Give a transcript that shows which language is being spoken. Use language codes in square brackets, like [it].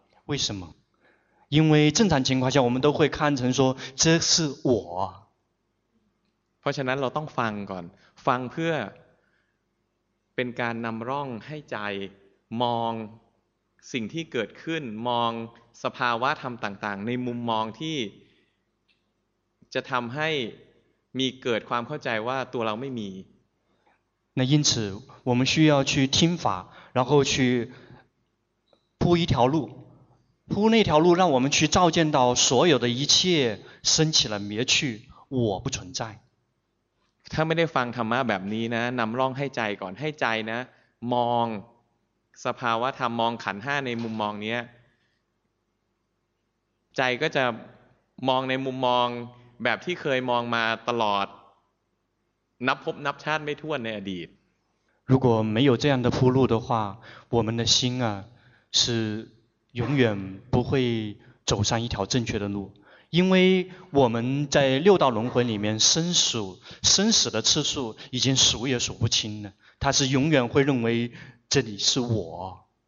[zh] 为什么因为正常情况下我们都会看成说这是我 [th] เพราะฉะนั้นเราต้องฟังก่อนฟังเพื่อเป็นการนำร่องให้ใจมองสิ่งที่เกิดขึ้นมองสภาวะธรรมต่างๆในมุมมองที่จะทำใ มีเกิดความเข้าใจว่าตัวเราไม่มี [zh] 那因此我们需要去听法然后去铺一条路铺那条路让我们去照见到所有的一切升起了灭去我不存在 [th] ถ้าไม่ได้ฟังธรรมะแบบนี้นะนำร่องให้ใจก่อนให้ใจนะมองสภาวะธรรมมองขันธ์ 5ในมุมมองนี้ใจก็จะมองในมุมมองแบบที่เคยมองมาตลอดนับพบนับชาติไม่ถ้วนในอดีต [zh] 如果没有这样的铺路的话我们的心啊是永远不会走上一条正确的路因为我们在六道轮回里面生死的次数已经数也数不清了他是永远会认为这里是我